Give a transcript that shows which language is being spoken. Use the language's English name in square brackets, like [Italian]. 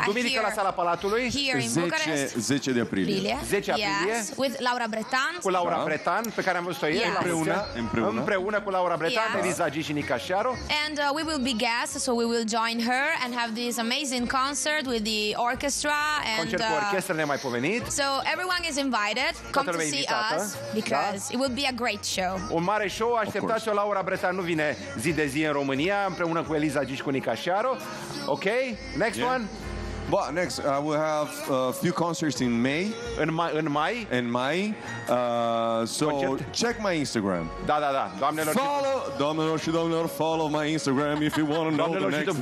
[Romanian] Duminică la Sala Palatului. [English] Here in Bucharest. [Romanian] 10 de aprilie. 10 aprilie. [English] Yes, with Laura Bretan. [Romanian] Cu Laura Bretan, pe care am văzut-o ieri. Împreună cu Laura Bretan, Eliza G și Nick Casciaro. [English] And we will be guests, so we will join her and have this amazing concert with the orchestra. [Romanian] Concert cu orchestră nemaipomenit. [English] So everyone is invited. Come to see us, because it will be a great show. [Romanian] Un mare show, așteptați-o la Laura Bretan nu vine zi de zi în România împreună cu Eliza G și cu Nick Casciaro. [English] Ok, next one. Well, next I will have a few concerts in May. In May. So concert. Check my Instagram. [Romanian] Da. Doamnelor, [English] follow my Instagram if you want to know the next.